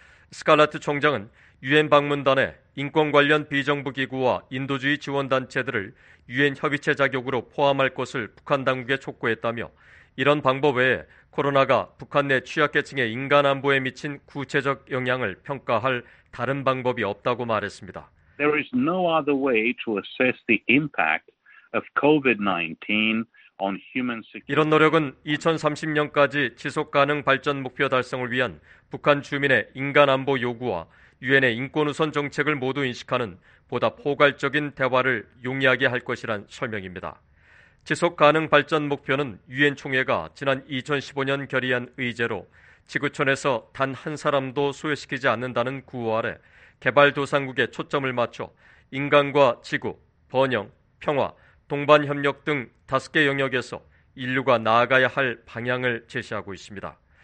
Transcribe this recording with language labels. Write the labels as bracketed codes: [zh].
[ko] 스칼레트 총장은 유엔 방문단에 인권 관련 비정부기구와 인도주의 지원단체들을 유엔 협의체 자격으로 포함할 것을 북한 당국에 촉구했다며 이런 방법 외에 코로나가 북한 내 취약계층의 인간 안보에 미친 구체적 영향을 평가할 다른 방법이 없다고 말했습니다. [en] There is no other way to assess the impact of COVID-19 on human security. [ko] 이런 노력은 2030년까지 지속가능 발전 목표 달성을 위한 북한 주민의 인간 안보 요구와 유엔의 인권 우선 정책을 모두 인식하는 보다 포괄적인 대화를 용이하게 할 것이란 설명입니다. 지속가능 발전 목표는 유엔 총회가 지난 2015년 결의한 의제로 지구촌에서 단 한 사람도 소외시키지 않는다는 구호 아래 개발도상국에 초점을 맞춰 인간과 지구, 번영, 평화, 동반협력 등 다섯 개 영역에서 인류가 나아가야 할 방향을 제시하고 있습니다.